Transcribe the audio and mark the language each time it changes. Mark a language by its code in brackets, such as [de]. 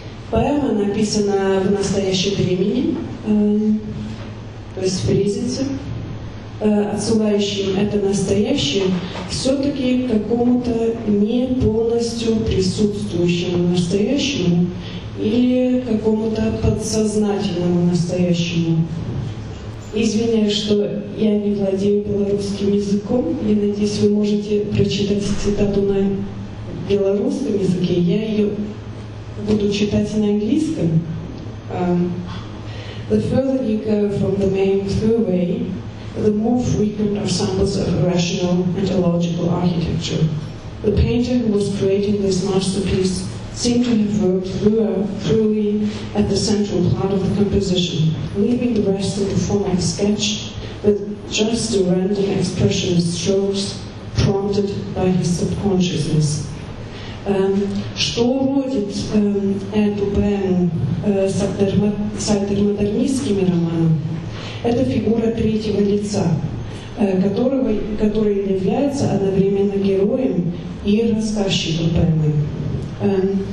[ru] Поэма написана в настоящем времени, то есть в призраке, отсылающим это настоящее, все-таки какому-то не полностью присутствующему настоящему или какому-то подсознательному настоящему. Извиняюсь, что я не владею белорусским языком. Я надеюсь, вы можете прочитать цитату на белорусском языке. Я ее буду читать на английском. [en] The further you go from the main thruway, the more frequent are samples of irrational and illogical architecture. The painter who was creating this masterpiece seemed to have worked thoroughly at the central part of the composition, leaving the rest of the form like sketch with just the random expressionist strokes prompted by his subconsciousness. [ru] Что уродит эту поэму с альтермодернистскими романами? Это фигура третьего лица, который является одновременно героем и рассказчиком поэмы.